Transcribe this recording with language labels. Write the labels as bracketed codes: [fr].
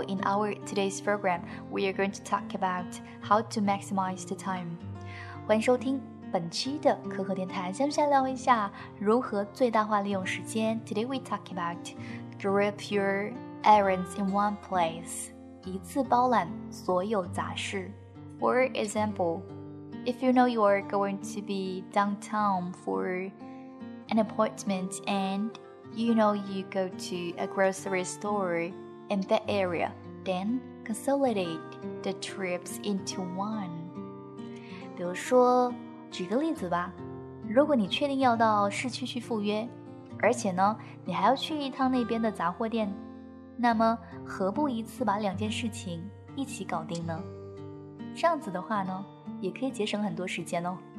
[en] In our today's program, we are going to talk about how to maximize the time. [zh] 欢迎收听本期的可可电台，下面聊一下如何最大化利用时间。 [en] Today we talk about group your errands in one place. [zh] 一次包揽所有杂事。 [en] For example, if you know you are going to be downtown for an appointment and you know you go to a grocery store in that area, then consolidate the trips into one. [zh] 比如说举个例子吧，如果你确定要到市区去赴约，而且呢，你还要去一趟那边的杂货店，那么何不一次把两件事情一起搞定呢？这样子的话呢，也可以节省很多时间哦。